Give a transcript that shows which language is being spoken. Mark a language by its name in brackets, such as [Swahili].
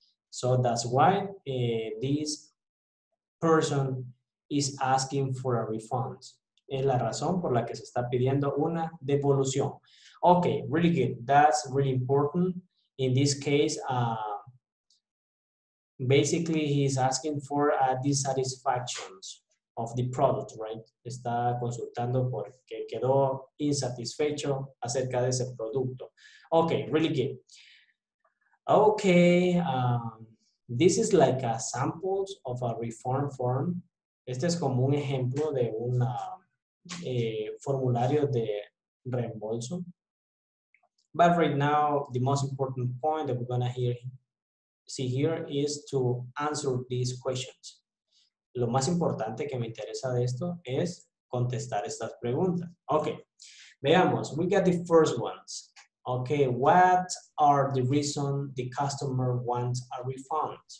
[English] So that's why this person is asking for a refund. [Spanish] Es la razón por la que se está pidiendo una devolución. [English] Okay, really good. That's really important. In this case, basically he's asking for a dissatisfaction of the product, right? [Spanish] Está consultando porque quedó insatisfecho acerca de ese producto. [English] Okay, really good. Okay, this is like a sample of a reform form. [Spanish] Este es como un ejemplo de una... formulario de reembolso. [English] But right now, the most important point that we're going to see here is to answer these questions. [Spanish] Lo más importante que me interesa de esto es contestar estas preguntas. [English] Okay, veamos, we got the first ones. Okay, what are the reasons the customer wants a refund?